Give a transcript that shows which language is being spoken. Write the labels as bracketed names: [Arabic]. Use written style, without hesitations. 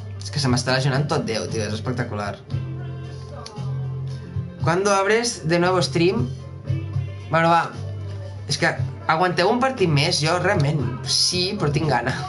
[Catalan] Que se m'està lesionant tot Déu, tio, és espectacular. [Spanish] ¿Cuándo abres de nuevo stream? [Catalan] Bueno, va. És que aguanteu un partit més, jo realment sí, però tinc gana.